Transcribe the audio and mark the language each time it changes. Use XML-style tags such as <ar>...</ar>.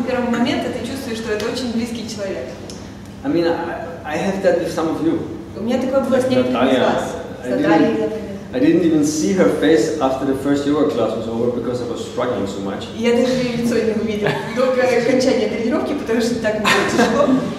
<ru>момента ты чувствуешь, что это очень близкий человек.</ru> <en>I mean, I have that with some of you.</en> <ru>У меня такое было с некоторыми из вас.</ru> <en>I didn't even see her face after the first yoga class was over because I was struggling so much.</en> <ru>Я даже её лицо не увидела до окончания тренировки, потому что так было тяжело.</ru>